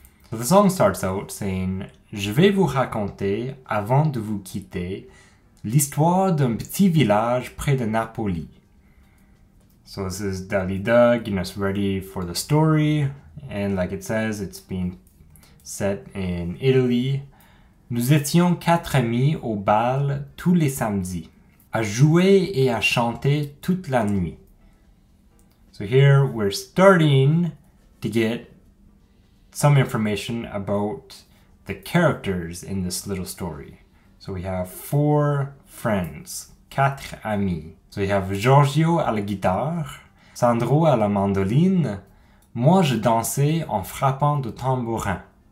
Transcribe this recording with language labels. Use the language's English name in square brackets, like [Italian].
[English] So the song starts out saying, [French] "Je vais vous raconter, avant de vous quitter, l'histoire d'un petit village près de Napoli." [English] So this is Dalida getting us ready for the story, and like it says, it's being set in Italy. [French] "Nous étions quatre amis au bal tous les samedis, à jouer et à chanter toute la nuit." [English] So here we're starting to get some information about the characters in this little story. So we have four friends, [French] quatre amis. [English] So you have [French] Giorgio à la guitare, Sandro à la mandoline, moi je dansais en frappant du tambourin.